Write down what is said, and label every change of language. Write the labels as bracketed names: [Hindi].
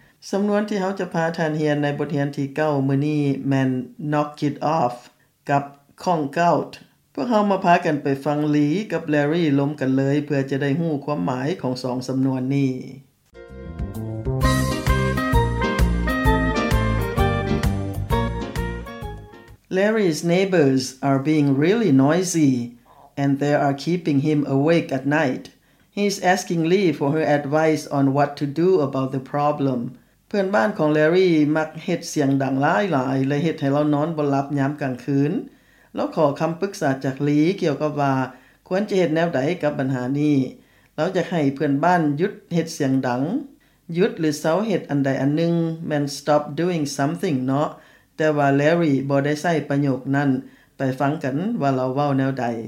[Northeastern Thai] สำนวนที่เขาจะพาท่านเรียนในบทเรียนที่9มื้อนี้แม่น Knock It Off กับ Conk Outพวกเขามาพากันไปฟังหลีกับแลรี่ล้มกันเลยเพื่อจะได้หู้ความหมายของสองสำนวนนี้ [English] Larry's neighbors are being really noisy and they are keeping him awake at night. He's asking Lee for her advice on what to do about the problem. [Northeastern Thai] เพื่อนบ้านของแลรี่มักเฮ็ดเสียงดังหลายๆและเฮ็ดให้เรานอนบ่หลับยามกลางคืนแล้วขอคำปรึกษาจากลีเกี่ยวกับว่าควรจะเฮ็ดแนวใดกับปัญหานี้เราจะให้เพื่อนบ้านหยุดเฮ็ดเสียงดังหยุดหรือเซาเฮ็ดอันใดอันนึงแม่น [English] stop doing something [Northeastern Thai] เนาะแต่ว่าแลรี่บ่ได้ใช้ประโยคนั้นไปฟังกันว่าเราเว้าแนวใด